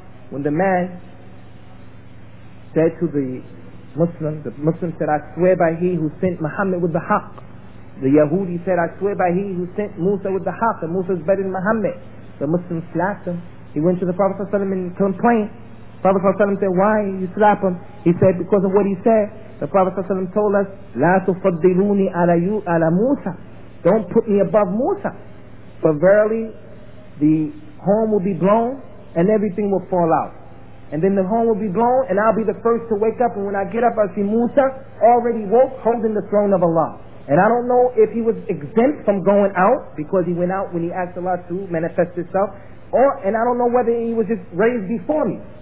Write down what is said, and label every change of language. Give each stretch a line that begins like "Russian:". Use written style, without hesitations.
English: When the man said to the Muslim said, I swear by he who sent Muhammad with the haq. The Yahudi said, I swear by he who sent Musa with the haq, and Musa is better than Muhammad. The Muslim slapped him. He went to the Prophet ﷺ and complained. The Prophet ﷺ said, why you slap him? He said, because of what he said. The Prophet ﷺ told us,
Arabic: لَا تُفَضِّلُونِ عَلَى مُوسَى.
English: Don't put me above Musa. For verily, the horn will be blown and everything will fall out. And then the horn will be blown and I'll be the first to wake up. And when I get up, I'll see Musa already woke, holding the throne of Allah. And I don't know if he was exempt from going out because he went out when he asked Allah to manifest himself, or, and I don't know whether he was just raised before me.